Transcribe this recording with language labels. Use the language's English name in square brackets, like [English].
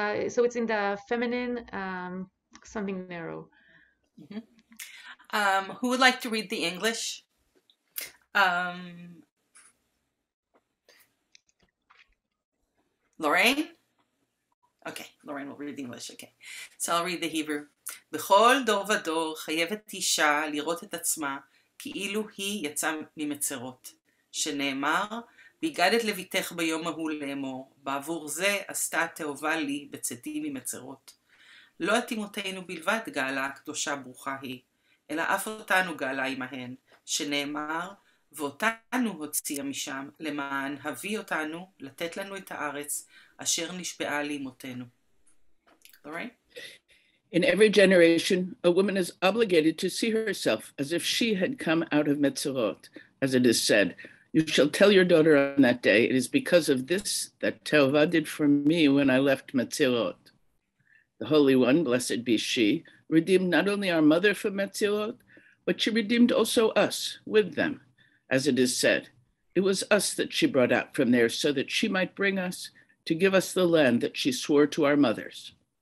[English] So it's in the feminine, something narrow. Mm-hmm. Who would like to read the English? Lorraine? Okay, Lorraine will read the English. Okay, so I'll read the Hebrew. [Hebrew] בכל דור ודור חייבת אישה לראות את עצמה כאילו היא יצאה ממצרות, שנאמר, ויגדת לביתך ביום ההוא לאמור, בעבור זה עשתה תאובה לי בצאתי ממצרות. לא את אמותינו בלבד גאלה הקדושה ברוכה היא, אלא אף אותנו גאלה עמהן, שנאמר, ואותנו הוציאה משם למען הביא אותנו לתת לנו את הארץ אשר נשבעה לאמותינו. [English] In every generation, a woman is obligated to see herself as if she had come out of Metzerot, as it is said, you shall tell your daughter on that day, it is because of this that Tehovah did for me when I left Metzerot. The Holy One, blessed be she, redeemed not only our mother from Metzerot, but she redeemed also us with them, as it is said, it was us that she brought out from there so that she might bring us to give us the land that she swore to our mothers.